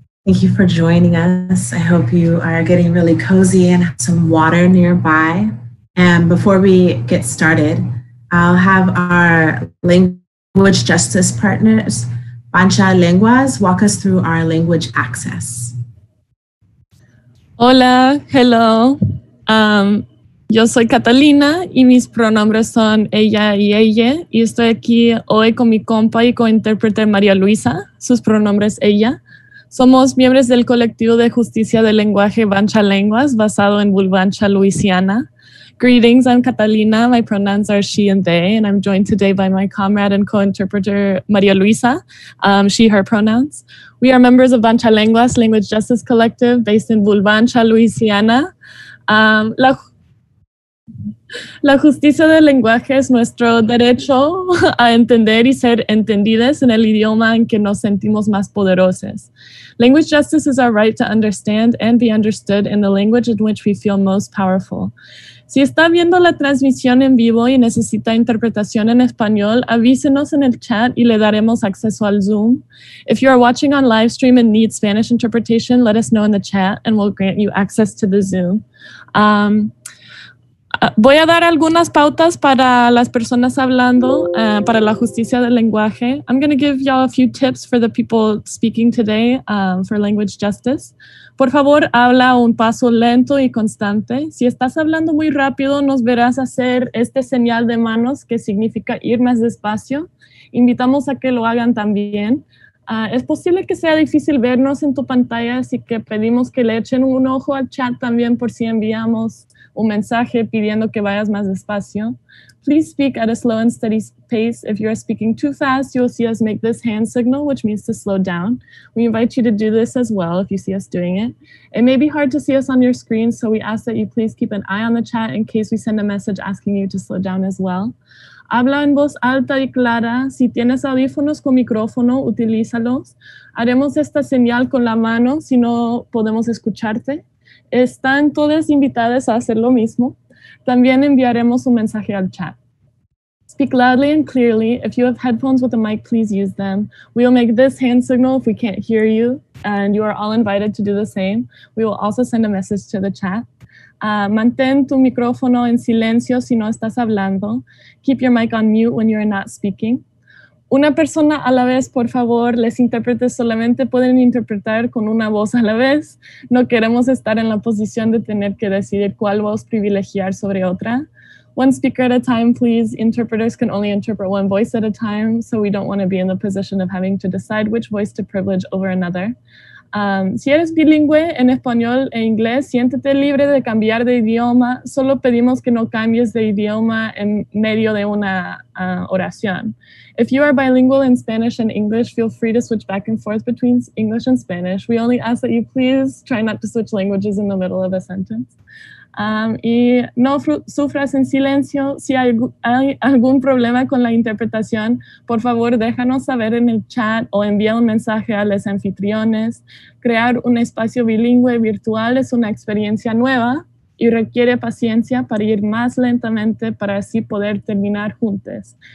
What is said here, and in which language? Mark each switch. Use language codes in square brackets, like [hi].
[en] Thank you for joining us. I hope you are getting really cozy and have some water nearby. And before we get started, I'll have our language justice partners, Bancha Lenguas, walk us through our language access. [es] Hola, [en] hello. [es] Yo soy Catalina y mis pronombres son ella y ella. Y estoy aquí hoy con mi compa y co-intérprete María Luisa, sus pronombres ella. Somos miembros del colectivo de justicia del lenguaje Bancha Lenguas, basado en Bulbancha, Louisiana. [en] Greetings, I'm Catalina. My pronouns are she and they, and I'm joined today by my comrade and co-interpreter, María Luisa, she, her pronouns. We are members of Bancha Lenguas, Language Justice Collective, based in Bulbancha, Louisiana. [es] La justicia del lenguaje es nuestro derecho a entender y ser entendidas en el idioma en que nos sentimos más poderosos. [en] Language justice is our right to understand and be understood in the language in which we feel most powerful. [es] Si está viendo la transmisión en vivo y necesita interpretación en español, avísenos en el chat y le daremos acceso al Zoom. [en] If you are watching on live stream and need Spanish interpretation, let us know in the chat and we'll grant you access to the Zoom. [es] Voy a dar algunas pautas para las personas hablando, para la justicia del lenguaje. [en] I'm going to give y'all a few tips for the people speaking today for language justice. [es] Por favor, habla un paso lento y constante. Si estás hablando muy rápido, nos verás hacer este señal de manos que significa ir más despacio. Invitamos a que lo hagan también. Es posible que sea difícil vernos en tu pantalla, así que pedimos que le echen un ojo al chat también por si enviamos un mensaje pidiendo que vayas más despacio. [en] Please speak at a slow and steady pace. If you are speaking too fast, you'll see us make this hand signal, which means to slow down. We invite you to do this as well if you see us doing it. It may be hard to see us on your screen, so we ask that you please keep an eye on the chat in case we send a message asking you to slow down as well. [es] Habla en voz alta y clara. Si tienes audífonos con micrófono, utilízalos. Haremos esta señal con la mano si no podemos escucharte. Están todas invitadas a hacer lo mismo. También enviaremos un mensaje al chat. [en] Speak loudly and clearly. If you have headphones with a mic, please use them. We will make this hand signal if we can't hear you, and you are all invited to do the same. We will also send a message to the chat. [es] Mantén tu micrófono en silencio si no estás hablando. [en] Keep your mic on mute when you're not speaking. [es] Una persona a la vez, por favor, les intérpretes solamente pueden interpretar con una voz a la vez. No queremos estar en la posición de tener que decidir cuál voz privilegiar sobre otra. [en] One speaker at a time, please. Interpreters can only interpret one voice at a time, so we don't want to be in the position of having to decide which voice to privilege over another. [es] Si eres bilingüe en español e inglés, siéntete libre de cambiar de idioma. Solo pedimos que no cambies de idioma en medio de una oración. [en] If you are bilingual in Spanish and English, feel free to switch back and forth between English and Spanish. We only ask that you please try not to switch languages in the middle of a sentence. [es] Y no sufras en silencio. Si hay algún problema con la interpretación, por favor déjanos saber en el chat o envía un mensaje a los anfitriones. Crear un espacio bilingüe virtual es una experiencia nueva y requiere paciencia para ir más lentamente para así poder terminar juntos.